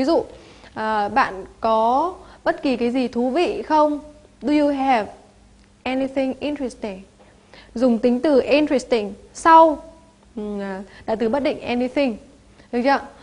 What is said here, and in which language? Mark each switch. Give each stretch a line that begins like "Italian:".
Vietnamese: Ví dụ bạn có bất kỳ cái gì thú vị không?
English: Do you have anything interesting?
Vietnamese: Dùng tính từ interesting sau đại từ bất định anything, được chưa?